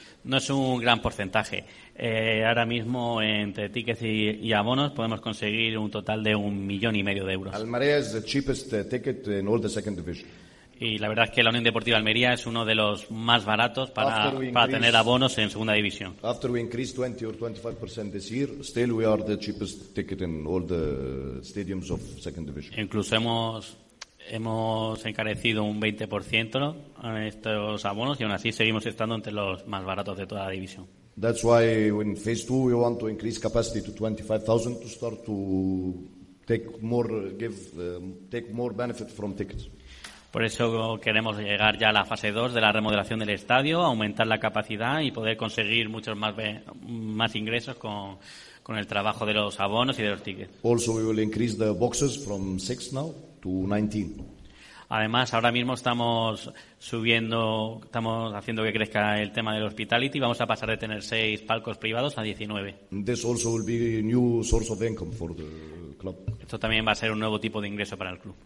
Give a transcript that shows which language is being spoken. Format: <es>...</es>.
<es>No es un gran porcentaje. Ahora mismo, entre tickets y abonos, podemos conseguir un total de 1.5 million de euros.</es> <en>Almería</en> <es>es el</es> <en>cheapest ticket</en> <es>en</es> <en>all the second division.</en> <es>Y la verdad es que la Unión Deportiva de Almería es uno de los más baratos para tener abonos en segunda división.</es> <en>After we increased 20 or 25% this year, still we are the cheapest ticket in all the stadiums of second division.</en> <es>Incluso hemos encarecido un 20% en estos abonos y aún así seguimos estando entre los más baratos de toda la división.</es> <en>That's why in phase 2 we want to increase capacity to 25,000 to start to take more benefit from tickets.</en> <es>Por eso queremos llegar ya a la fase 2 de la remodelación del estadio, aumentar la capacidad y poder conseguir muchos más ingresos con el trabajo de los abonos y de los tickets.</es> <en>Also we will increase the boxes from 6 now to 19.</en> <es>Además, ahora mismo estamos haciendo que crezca el tema del hospitality. Vamos a pasar de tener 6 palcos privados a 19.</es> <en>This also will be a new source of income for the club.</en> <es>Esto también va a ser un nuevo tipo de ingreso para el club.</es>